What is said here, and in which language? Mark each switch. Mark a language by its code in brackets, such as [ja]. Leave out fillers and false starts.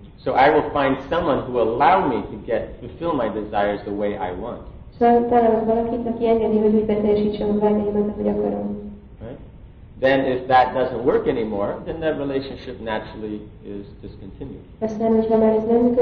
[en] So I will find someone who will allow me to get fulfill my desires the way I want. [hu] So találok valakit, aki engedi, hogy beteljesítsem a vágyaimat, ahogy akarom. [en] Then if that doesn't work anymore, then that relationship naturally is discontinued.